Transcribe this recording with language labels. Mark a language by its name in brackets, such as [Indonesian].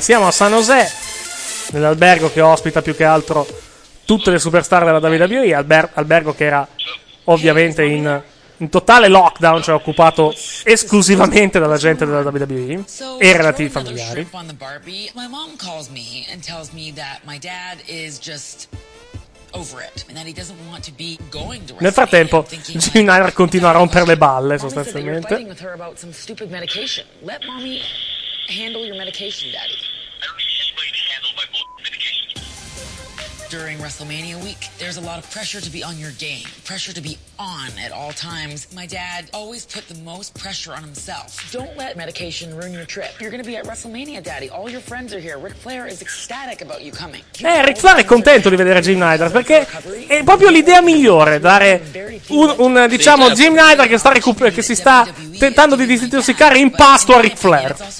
[Italian] Siamo a San José, nell'albergo che ospita più che altro tutte le superstar della WWE. Albergo che era ovviamente in totale lockdown, cioè occupato esclusivamente dalla gente della WWE e relativi familiari. [English] My mom calls me and tells me that my dad is just over it and that he doesn't want to be going to. [Italian] Nel frattempo Jim Neidhart continua a rompere le balle, sostanzialmente. [English] Handle your medication, Daddy. I don't need anybody to handle my medication. During WrestleMania week, there's a lot of pressure to be on your game. Pressure to be on at all times. My dad always put the most pressure on himself. Don't let medication ruin your trip. You're gonna be at WrestleMania, Daddy. All your friends are here. Ric Flair is ecstatic about you coming. [Italian] Ric Flair è contento di vedere Jim Neidhart, perché è proprio l'idea migliore, dare un diciamo, Jim Neidhart che si sta tentando di disintossicare in pasto a Ric Flair.